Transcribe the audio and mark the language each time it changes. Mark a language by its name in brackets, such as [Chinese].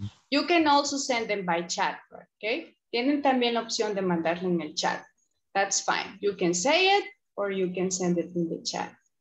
[English] You can also send them by chat, okay? [Spanish] Tienen también la opción de mandarlo en el chat. [English] That's fine. You can say it or you can send it in the chat.